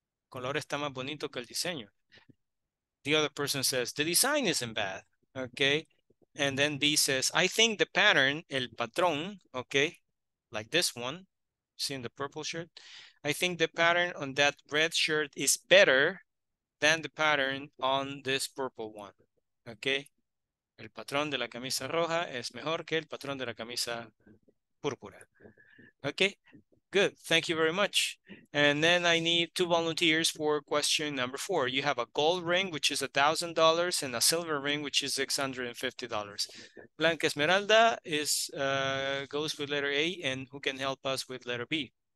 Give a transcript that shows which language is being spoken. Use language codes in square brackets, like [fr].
[es] Color está más bonito que el diseño. [en] The other person says, the design isn't bad. Okay. And then B says, I think the pattern, [es] el patrón, [en] okay, like this one. See in the purple shirt? I think the pattern on that red shirt is better than the pattern on this purple one. Okay? [es] El patrón de la camisa roja es mejor que el patrón de la camisa púrpura. [en] Okay? Good. Thank you very much. And then I need two volunteers for question number four. You have a gold ring, which is $1,000, and a silver ring, which is $650. Blanca Esmeralda is goes with letter A, and who can help us with letter B?